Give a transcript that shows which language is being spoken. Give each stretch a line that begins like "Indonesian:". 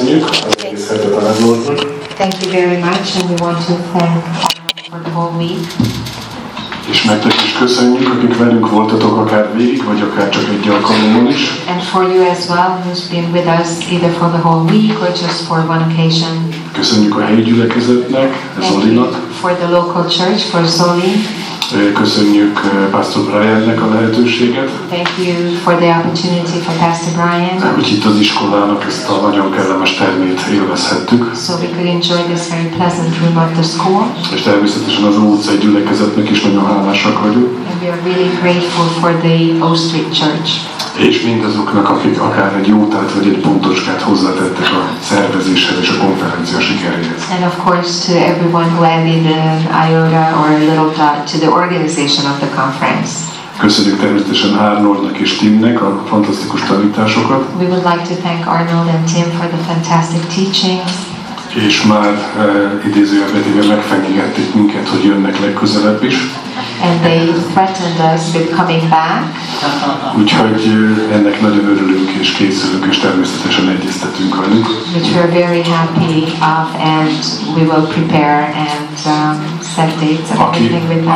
English: Thank you very much, and we want to thank for the whole week.
Hungarian: És nektek is köszönjük, akik velünk voltatok akár végig, vagy akár csak egy alkalommal is.
English: And for you as well, who's been with us either for the whole week or just for one occasion.
Hungarian: Köszönjük a helyi gyülekezetnek, Zolinak.
English: For the local church, for Zoli.
Hungarian: Köszönjük Pastor Briannek a lehetőséget.
English: Thank you for the opportunity for Pastor Brian.
Hungarian: Úgy itt az iskolának ezt a nagyon kellemes termét élvezhettük.
English: So we could enjoy this very pleasant room of the school.
Hungarian: És természetesen az Óbudai gyülekezetnek is nagyon hálásak vagyunk.
English: And we are really grateful for the O Street Church.
Hungarian: És mindazoknak, akik akár egy jótát vagy egy pontoskát hozzátettek a szervezéshez és a konferencia sikeréhez.
English: And of course to everyone who added an iota or a little dot to the organization of the conference.
Hungarian: Köszönjük természetesen Arnoldnak és Timnek a fantasztikus tanításokat.
English: We would like to thank Arnold and Tim for the fantastic teachings.
Hungarian: És már idézőjelben megfenyegették minket, hogy jönnek legközelebb is.
English: And they threatened us with coming back.
Hungarian: Úgyhogy ennek nagyon örülünk és készülünk és természetesen egyeztetünk velük.
English: Which we are very happy of and we will prepare and set dates and everything with them.